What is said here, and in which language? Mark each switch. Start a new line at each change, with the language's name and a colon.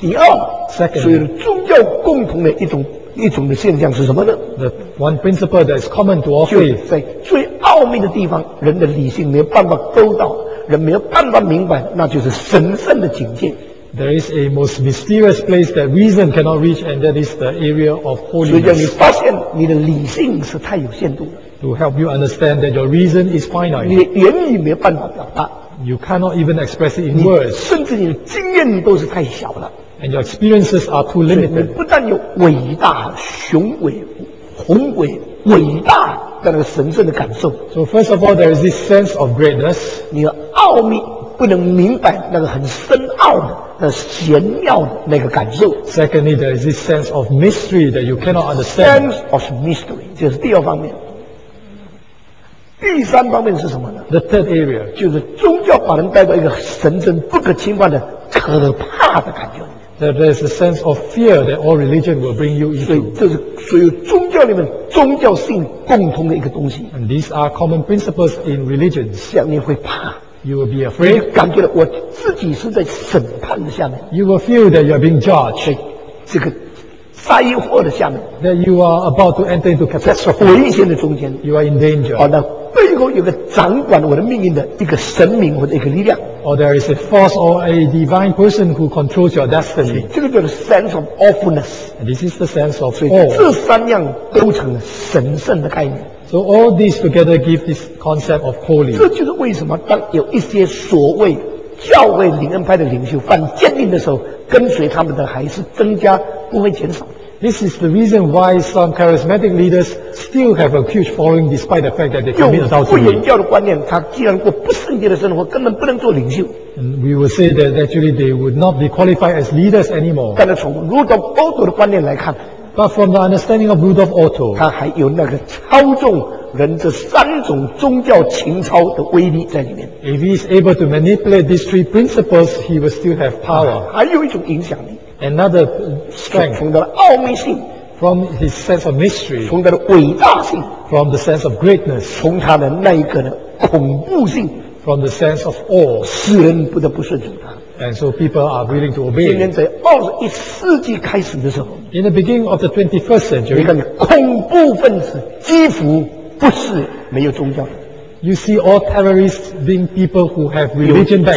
Chinese: 第二
English: ，second，
Chinese: 所以宗教共同的一种的现象是什么呢
English: ？The one principle that is common to all faith.
Chinese: 在最奥秘的地方，人的理性没有办法勾到，人没有办法明白，那就是神圣的境界。
English: There is a most mysterious place that reason cannot reach, and that is the area of holiness.
Chinese: 所以你发现你的理性是太有限度了。
English: To help you understand that your reason is finite.
Chinese: 你的言语没有办法表达。
English: You cannot even express it in words.
Chinese: 甚至你的经验都是太小了。
English: And your experiences are too limited.
Chinese: 所以你不但有伟大、雄伟、宏伟、伟大的那个神圣的感受。
English: So first of all, there is this sense of greatness.
Chinese: 你的奥秘不能明白那个很深奥的。那玄妙的那个感受。
English: Secondly, there is this sense of mystery that you cannot understand. Sense of mystery,
Chinese: 这是第二方面。第三方面是什么呢？
English: The third area,
Chinese: 就是宗教把人带到一个神圣不可侵犯的可怕的感觉。
English: That there is a sense of fear that all religion will bring you into.
Chinese: 所以这是所有宗教里面宗教性共同的一个东西。
English: And these are common principles in religion.
Chinese: 像你会怕。
English: You will be afraid.
Chinese: 你感觉到我自己是在审判的下面。
English: You will feel that you are being judged.
Chinese: 这个灾祸的下面。
English: That you are about to enter into catastrophe.
Chinese: 在危险的中间。
English: You are in danger.
Chinese: 那背后有个掌管我的命运的一个神明或者一个力量。
English: Or there is a force or a divine person who controls your destiny.
Chinese: 这个叫做
English: sense of awfulness. And this is the sense of awe.
Chinese: 这三样都成了神圣的概念。
English: So all these together give this concept of holy.
Chinese: 这就是为什么当有一些所谓教会灵恩派的领袖犯奸淫的时候，跟随他们的还是增加，不会减少。
English: This is the reason why some charismatic leaders still have a huge following despite the fact that they commit adultery.
Chinese: 用不言教的观念，他既然过不圣洁的生活，根本不能做领袖。
English: And we will say that actually they would not be qualified as leaders anymore.
Chinese: 但是从如果保守的观念来看。
English: But from the understanding of Rudolf Otto,
Chinese: 他还有那个操纵人这三种宗教情操的威力在里面。
English: If he is able to manipulate these three principles, he will still have power.
Chinese: 还有一种影响力。
English: Another strength.
Chinese: 从他的奥秘性。
English: From his sense of mystery.
Chinese: 从他的伟大性。
English: From the sense of greatness.
Chinese: 从他的那一个的恐怖性。
English: From the sense of awe.
Chinese: 世人不得不顺从他。
English: And so people are willing to obey.
Chinese: 今天在21世纪开始的时候，
English: In the beginning of the 21st century,
Chinese: 你看恐怖分子几乎不是没有宗教的。
English: You see all terrorists being people who have religion background.